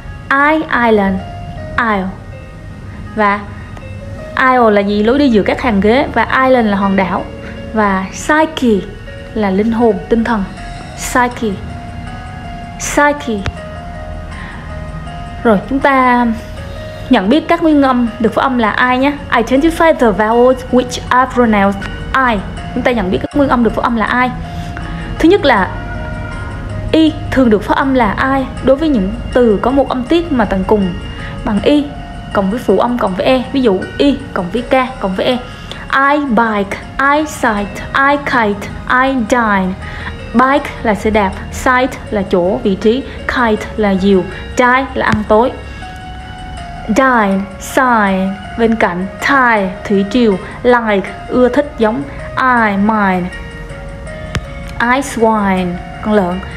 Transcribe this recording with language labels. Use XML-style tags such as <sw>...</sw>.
<en>I island, aisle.</en> <vi>Và aisle là gì? Lối đi giữa các hàng ghế. Và island là hòn đảo. Và psyche là linh hồn, tinh thần. Psyche, psyche. Rồi chúng ta nhận biết các nguyên âm được phát âm là I nhé.</vi> <en>Identify the vowels which are pronounced I.</en> <vi>Chúng ta nhận biết các nguyên âm được phát âm là I. Thứ nhất là Y thường được phát âm là I đối với những từ có một âm tiết mà tận cùng bằng Y cộng với phụ âm cộng với E. Ví dụ Y cộng với K cộng với E.</vi> <en>I bike, I sight, I kite, I dine.</en> <vi>Bike là xe đạp, site là chỗ, vị trí, kite là diều, dine là ăn tối. Dine, sign, bên cạnh, tide, thủy triều, like, ưa thích, giống.</vi> <en>I, mine, I swine,</en> <vi>con lợn.</vi>